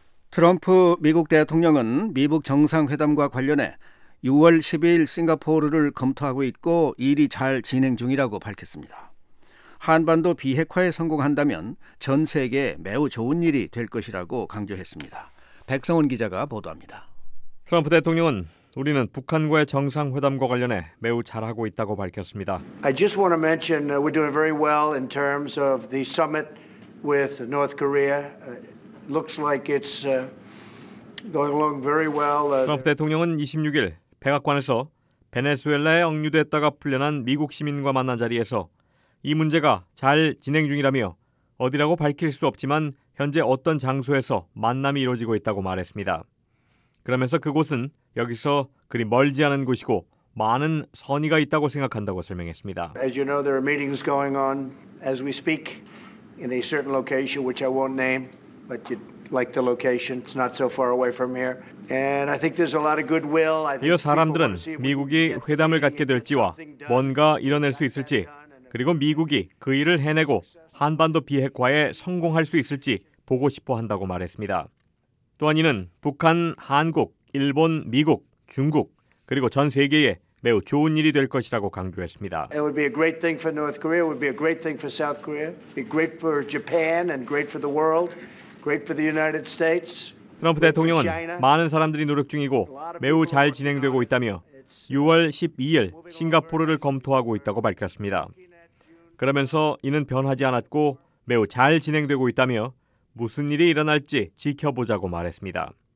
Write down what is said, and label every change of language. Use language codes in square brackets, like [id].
[ko] 트럼프 미국 대통령은 미북 정상회담과 관련해 6월 12일 싱가포르를 검토하고 있고 일이 잘 진행 중이라고 밝혔습니다. 한반도 비핵화에 성공한다면 전 세계에 매우 좋은 일이 될 것이라고 강조했습니다. 백성훈 기자가 보도합니다. 트럼프 대통령은 우리는 북한과의 정상회담과 관련해 매우 잘하고 있다고 밝혔습니다. [en] I just want to mention we're doing very well in terms of the summit with North Korea. Looks like it's going along very well. [ko] 트럼프 대통령은 26일 백악관에서 베네수엘라에 억류됐다가 풀려난 미국 시민과 만난 자리에서 이 문제가 잘 진행 중이라며 어디라고 밝힐 수 없지만 현재 어떤 장소에서 만남이 이루어지고 있다고 말했습니다. 그러면서 그곳은 여기서 그리 멀지 않은 곳이고 많은 선의가 있다고 생각한다고 설명했습니다. [en] As you know, there are meetings going on as we speak in a certain location which I won't name. But you like the location. It's not so far away from here. And I think there's a lot of goodwill. [ko] 이어 사람들은 미국이 회담을 갖게 될지와 뭔가 이뤄낼 수 있을지, 그리고 미국이 그 일을 해내고 한반도 비핵화에 성공할 수 있을지 보고 싶어 한다고 말했습니다. 또한 이는 북한, 한국, 일본, 미국, 중국, 그리고 전 세계에 매우 좋은 일이 될 것이라고 강조했습니다. [en] It would be a great thing for North Korea. It would be a great thing for South Korea. Be great for Japan and great for the world. Great for the United States. [ko] 트럼프 대통령은 많은 사람들이 노력 중이고 매우 잘 진행되고 있다며 6월 12일 싱가포르를 검토하고 있다고 밝혔습니다. 그러면서 이는 변하지 않았고 매우 잘 진행되고 있다며 무슨 일이 일어날지 지켜보자고 말했습니다.